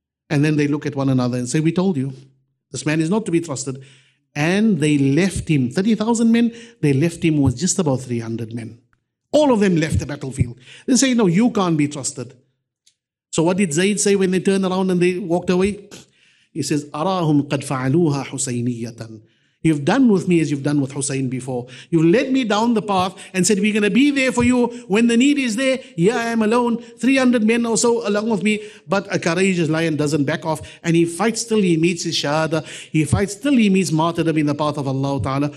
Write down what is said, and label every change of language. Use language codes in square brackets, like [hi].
[en] And then they look at one another and say, we told you, this man is not to be trusted. And they left him, 30,000 men, they left him with just about 300 men. All of them left the battlefield. They say, no, you can't be trusted. So what did Zayd say when they turned around and they walked away? He says, [ar] أَرَاهُمْ قَدْ فَعَلُوهَا حُسَيْنِيَّةً. [en] You've done with me as you've done with Hussein before. You led me down the path and said, we're going to be there for you when the need is there. Here I am alone, 300 men or so along with me. But a courageous lion doesn't back off. And he fights till he meets his shahada. He fights till he meets martyrdom in the path of Allah Ta'ala.